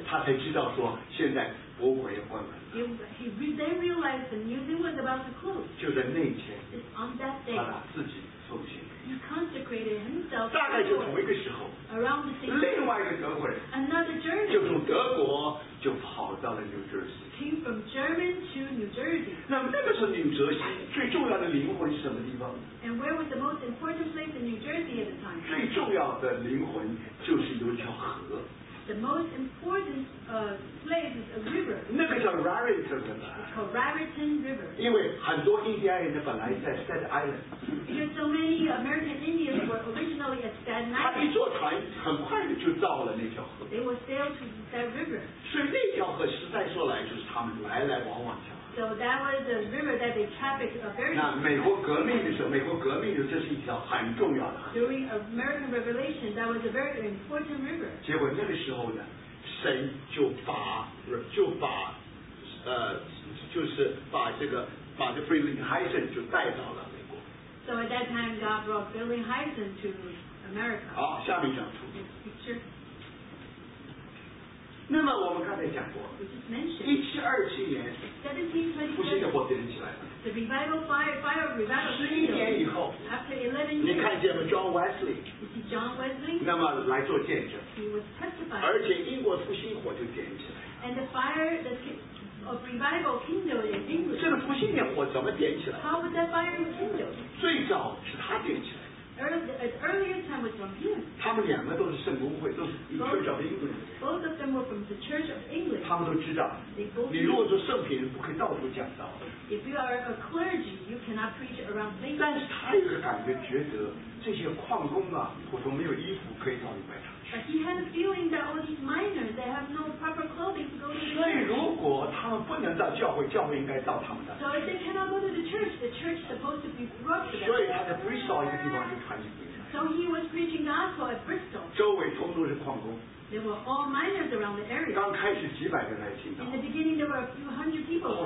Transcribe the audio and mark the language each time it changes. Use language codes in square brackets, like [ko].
[zh] 他才知道说现在博物馆也关门了。 [en] They realized the museum was about to close. [zh] 就在那一天, [en] it's on that day. [zh] 他把自己奉献。 [en] He consecrated himself. [zh] 大概就同一个时候, [en] around the same time, [zh] 另外一个德国人, [en] another German, [zh] 就从德国就跑到了 New Jersey. [en] Came from German to New Jersey. [zh] 那么那个时候 New Jersey 最重要的灵魂是什么地方? [en] And where was the most important place in New Jersey at the time? [zh] 最重要的灵魂就是有一条河。 [en] The most important place is a river. [zh] 那个叫 Raritan River. [en] It's called Raritan River. [zh] 因为很多印第安人本来在 Staten Island. [en] Because so many American Indians were originally at Staten Island. [zh] 他一坐船，很快就到了那条河。 [en] They would sail to that river. [zh] 所以那条河实在说来就是他们来来往往。 [en] So that was the river that they trafficked a very. [zh] 那美国革命的时候，美国革命的时候，这是一条很重要的。 [en] During American Revolution, that was a very important river. [zh] 结果那个时候呢，神就把就是把这个把这 Billy Hyson 就带到了美国。 [en] So at that time, God brought Billy Hyson to America. [zh] 好，下面讲图。那么我们刚才讲过，1727年，不是火点起来了。 [en] The revival fire revival. [zh] 11年以后 [en] ，After 11 years， [zh] 你看见了 John Wesley。 [en] You see John Wesley。 [zh] 那么来做见证。 [en] He was testifying。 [zh] 而且英国复兴火就点起来。 [en] And the fire of revival kindled in England。 [zh] 这个复兴的火怎么点起来 [en] ？How was that fire kindled？ [zh] 最早是他点起来。 [en] Earlier time was from him. Both of them were from the Church of England. They both knew. [zh] 你如果说圣品人，不可以到处讲道。 [en] If you are a clergy, you cannot preach around things. [zh] 但是他有个感觉，觉得这些矿工啊，普通没有衣服可以到礼拜堂。 [en] But he had a feeling that all these miners, they have no proper clothing to go to the church. [zh] 所以如果他们不能到教会，教会应该到他们的。 [en] So if they cannot go to the church is supposed to be brought to them. [zh] 所以他在 Bristol 一个地方就传福音。 [en] So he was preaching gospel at Bristol. [zh] 周围通通是矿工。 [en] There were all miners around the area. [zh] 刚开始几百个来听到。 [en] In the beginning, there were a few hundred people.